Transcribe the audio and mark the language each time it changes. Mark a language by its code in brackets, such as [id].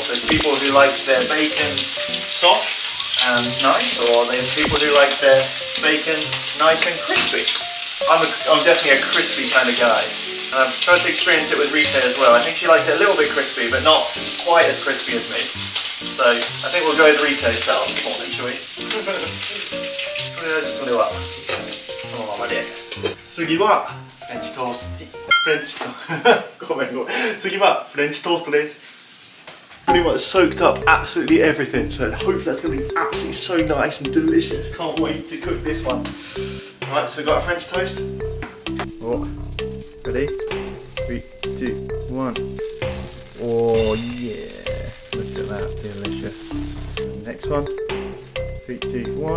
[en] There's people who like their bacon soft and nice, or there's people who like their bacon nice and crispy. I'm definitely a crispy kind of guy. And I've tried to experience it with Risa as well. I think she likes it a little bit crispy, but not quite as crispy as me. So I think we'll go with Risa herself, shall we? Just blew up. [ja] 次はフレンチトースト。フレンチトースト。ごめんごめん。次はフレンチトーストです。 [en] Pretty much soaked up absolutely everything, so hopefully that's going to be absolutely so nice and delicious. Can't wait to cook this one. Alright, so we've got a French toast. Oh, ready? 3, 2, 1. Oh yeah. Look at that, delicious. Next one. 3, 2, 1.